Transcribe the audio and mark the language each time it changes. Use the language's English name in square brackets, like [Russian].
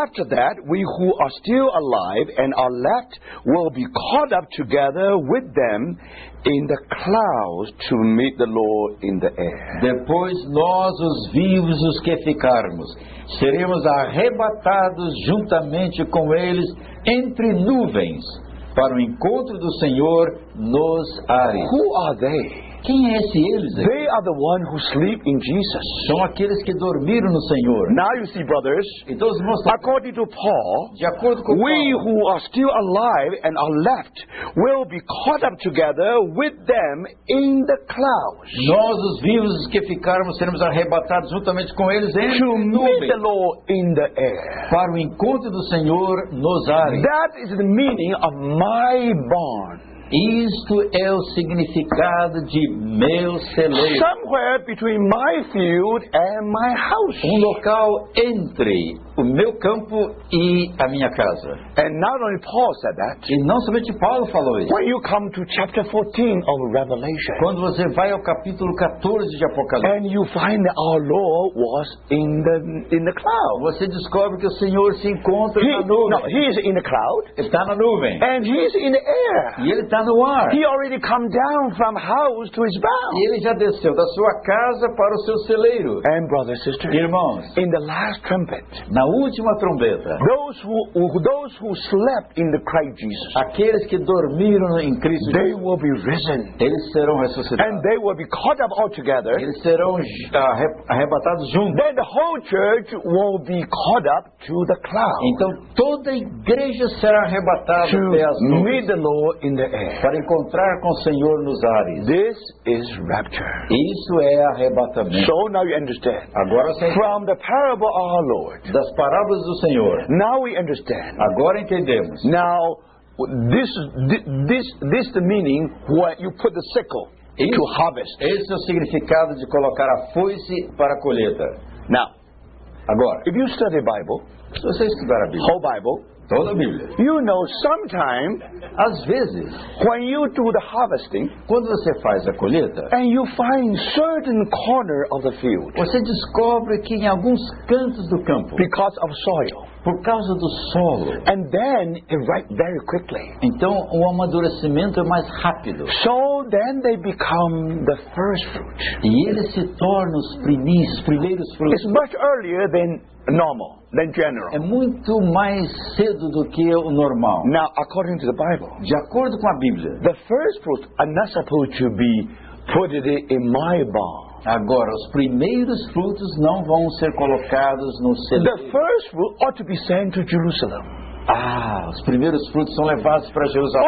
[English] After that, we who are still alive and are left will be caught up together with them in the clouds to meet the Lord in the air. [Portuguese] Depois nós, os vivos, os que ficarmos, seremos arrebatados juntamente com eles entre nuvens para o encontro do Senhor nos ares. [English] Who are they? [Portuguese] Quem é esse eles? Aqui? [English] They are the one who sleep in Jesus. [Portuguese] São aqueles que dormiram no Senhor. [English] Now you see, brothers. [Portuguese] Então, os irmãos, [English] according to Paul, [Portuguese] de acordo com [English] we [Portuguese] Paulo, [English] who are still alive and are left will be caught up together with them in the clouds. [Portuguese] Nós, os vivos que ficarmos, seremos arrebatados juntamente com eles em [English] to [Portuguese] nuvem. [English] Meet the Lord in the air. [Portuguese] Para o encontro do Senhor nos ares. [English] That is the meaning of my barn. [Portuguese] Isto é o significado de meu celeiro. [English] Somewhere between my field and my house. [Portuguese] Um local entre o meu campo e a minha casa. [English] And not only Paul said that. [Portuguese] E não somente Paulo falou isso. [English] When you come to chapter 14 of Revelation. [Portuguese] Quando você vai ao capítulo 14 de Apocalipse. [English] And you find that our Lord was in the cloud. [Portuguese] Você descobre que o Senhor se encontra na nuvem. [English] No, he is in the cloud. [Portuguese] Está na nuvem. [English] And he is in the air. [Portuguese] E ele está no ar. [English] He already come down from house to his barn. [Portuguese] Ele já desceu da sua casa para o seu celeiro. [English] And brothers and sisters. [Portuguese] Irmãos. [English] In the last trumpet. [Portuguese] Na última trombeta. [English] Those who slept in the Christ Jesus. [Portuguese] Aqueles que dormiram em Cristo. [English] They will be risen. [Portuguese] Eles serão ressuscitados. [English] And they will be caught up altogether. [Portuguese] Eles serão arrebatados juntos. [English] Then the whole church will be caught up to the cloud. [Portuguese] Então toda a igreja será arrebatada até as nuvens. [English] To meet the Lord in the air. [Portuguese] Para encontrar com o Senhor nos ares. [English] This is rapture. [Portuguese] Isso é arrebatamento. [English] So now you understand. [Portuguese] Agora você entende. [English] From the parable of our Lord. [Portuguese] Das parábolas do Senhor. [English] Now we understand. [Portuguese] Agora entendemos. [English] Now this the meaning where you put the sickle to harvest. [Portuguese] Esse é o significado de colocar a foice para a colheita. [English] Now, [Portuguese] agora, [English] if you study the Bible, [Portuguese] se você estudar a Bíblia, [English] whole Bible, [Portuguese] toda a Bíblia, [English] you know, sometimes, [Portuguese] às vezes, [English] when you do the harvesting, [Portuguese] quando você faz a colheita, [English] and you find certain corner of the field, [Portuguese] você descobre que em alguns cantos do campo, [English] because of soil, [Portuguese] por causa do solo, [English] and then right very quickly, [Portuguese] então o amadurecimento é mais rápido, [English] so then they become the first fruit, [Portuguese] e eles se tornam os primeiros frutos. [English] It's much earlier than normal than general. [Portuguese] É muito mais cedo do que o normal. [English] Now, according to the Bible, [Portuguese] de acordo com a Bíblia, [English] the first fruit are not supposed to be put it in my barn. [Portuguese] Agora, os primeiros frutos não vão ser colocados no celeiro. [English] The first fruit ought to be sent to Jerusalem. [Portuguese] Ah, os primeiros frutos são levados para Jerusalém.